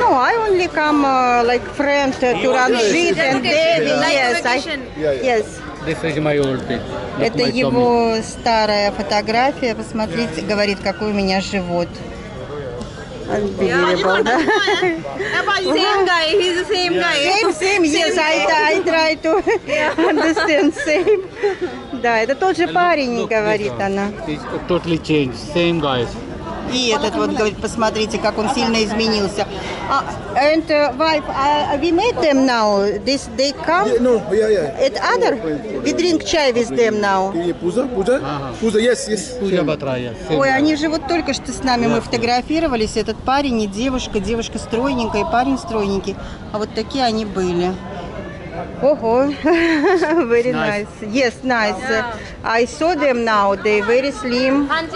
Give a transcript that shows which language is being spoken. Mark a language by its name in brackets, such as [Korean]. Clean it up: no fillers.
[English] No, I only come like friend to Ranjit and Devi. Yes, yes. This is my old picture. [Russian] Это его старая фотография. Посмотрите, говорит, какой у меня живот. Да, это тот же парень, говорит она. [English] Totally changed, same guys. [Russian] И этот вот говорит, посмотрите, как он сильно изменился. [English] And wife, we met them now. This they come? Yeah, no, yeah, yeah. At other, we drink chai with them now. Пуза? Пуза, yes, yes. [Russian] Пуза Батрая. Ой, они же вот только что с нами, мы фотографировались. Этот парень и девушка, девушка стройненькая, парень стройненький. А вот такие они были. Ого, [English] very nice. Yes, nice. Yeah. I saw them now, they very slim.